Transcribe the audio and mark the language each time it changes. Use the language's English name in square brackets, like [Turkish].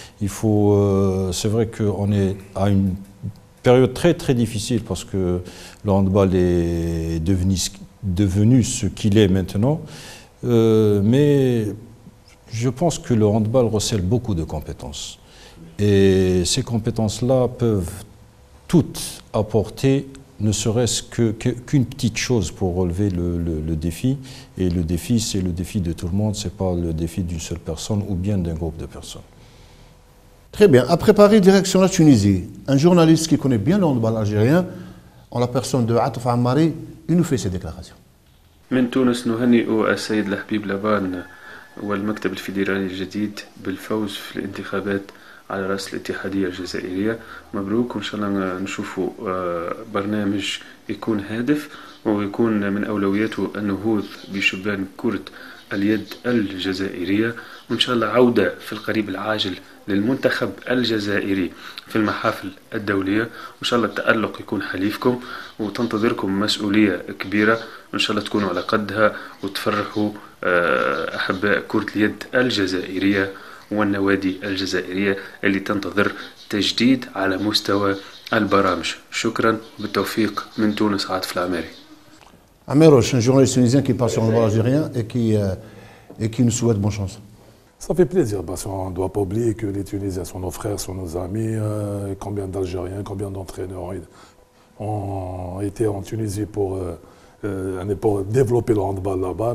[French] Il faut, c'est vrai qu'on est à une période très très difficile, parce que le handball est devenu ce qu'il est maintenant, mais je pense que le handball recèle beaucoup de compétences, et ces compétences là peuvent toutes apporter, ne serait-ce qu'une petite chose pour relever le défi. Et le défi, c'est le défi de tout le monde, c'est pas le défi d'une seule personne ou bien d'un groupe de personnes. Très bien. Après Paris, direction la Tunisie. Un journaliste qui connaît bien le handball algérien, en la personne de Atouf Ammari, il nous fait ses déclarations. [Arabic] من تونس نهنئ السيد الحبيب لبان والمكتب الفيدرالي الجديد بالفوز في الانتخابات على رأس الاتحادية الجزائرية. مبروك وإن شاء الله نشوف برنامج يكون هادف ويكون من أولوياته النهوض بشبان كرة اليد الجزائرية، وإن شاء الله عودة في القريب العاجل للمنتخب الجزائري في المحافل الدولية، وإن شاء الله التألق يكون حليفكم، وتنتظركم مسؤولية كبيرة إن شاء الله تكونوا على قدها وتفرحوا أحباء كرة اليد الجزائرية والنوادي الجزائرية اللي تنتظر تجديد على مستوى البرامج. شكرا بالتوفيق من تونس عاطف العماري. [French] Amerosh, un journaliste tunisien qui part sur le handball algérien et qui nous souhaite bonne chance. Ça fait plaisir, parce qu'on ne doit pas oublier que les Tunisiens sont nos frères, sont nos amis. Combien d'Algériens, combien d'entraîneurs ont été en Tunisie pour développer le handball là-bas.